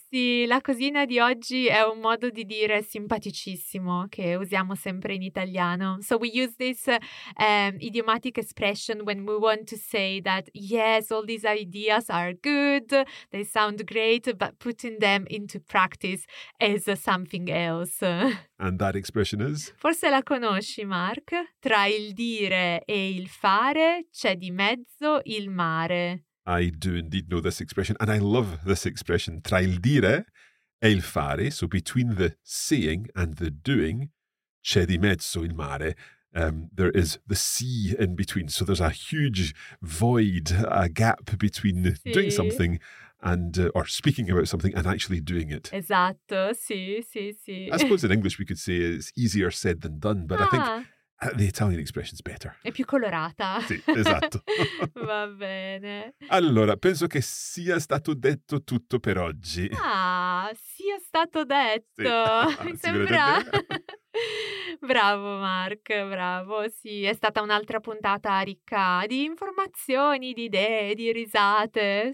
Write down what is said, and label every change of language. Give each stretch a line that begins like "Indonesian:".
Italian: Sì, la cosina di oggi è un modo di dire simpaticissimo che usiamo sempre in italiano.
English: So we use this idiomatic expression when we want to say that, yes, all these ideas are good, they sound great, but putting them into practice is something else. And that expression is?
Italian: Forse la conosci, Mark. Tra il dire e il fare c'è di mezzo il mare.
English: I do indeed know this expression, and I love this expression.
Italian: Tra il dire e il fare,
English: so between the saying and the doing,
Italian: c'è di mezzo il mare.
English: There is the sea in between, so there's a huge void, a gap between doing something and or speaking about something and actually doing it.
Italian: Esatto, sì.
English: I suppose in English we could say it's easier said than done, but I think the Italian expression's better.
Italian: È più colorata. Sì, esatto. Va bene. Allora, penso che sia stato detto tutto per oggi. Ah, sia stato detto. Sì. Mi sembra. Bravo Mark, bravo. Sì, è stata un'altra puntata ricca di informazioni, di idee, di risate.